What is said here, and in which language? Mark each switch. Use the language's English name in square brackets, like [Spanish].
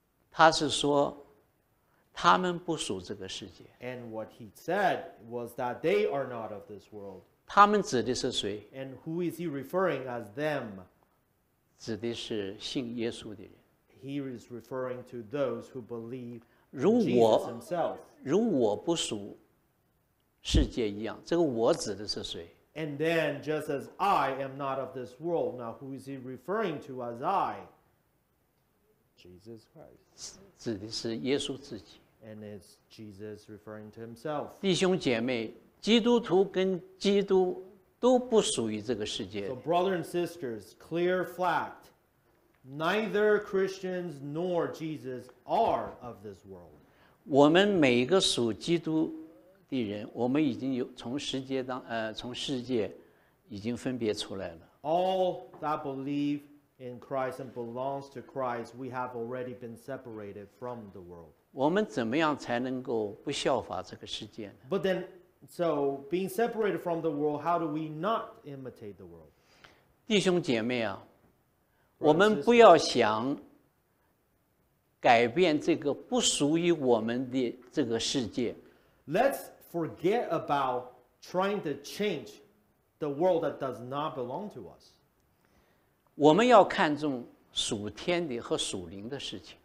[Chinese] 他是说他们不属这个世界。 [English] And what he said was that they are not of this world. [Chinese] 他们指的是谁？ [English] And who is he referring as them? [Chinese] 指的是信耶稣的人。 [English] He is referring to those who believe Jesus himself. [Chinese] 如我不属世界一样，这个我指的是谁？ [English] And then just as I am not of this world, now who is he referring to as I? Jesus Christ. [Chinese] 指的是耶稣自己。 [English] And it's Jesus referring to himself. [Chinese] 弟兄姐妹，基督徒跟基督都不属于这个世界。 [English] So brother and sisters, clear fact, neither Christians nor Jesus are of this world. [Chinese] 我们每一个属基督的人，我们已经有从世界已经分别出来了。 [English] All that believe. In Christ and belongs to Christ, we have already been separated from the world. [Chinese] 我们怎么样才能够不效法这个世界呢？ [English] But then, so being separated from the world, how do we not imitate the world? [Chinese] 弟兄姐妹啊，我们不要想改变这个不属于我们的这个世界。 [English] Let's forget about trying to change the world that does not belong to us. [Chinese] 我们要看重属天的和属灵的事情。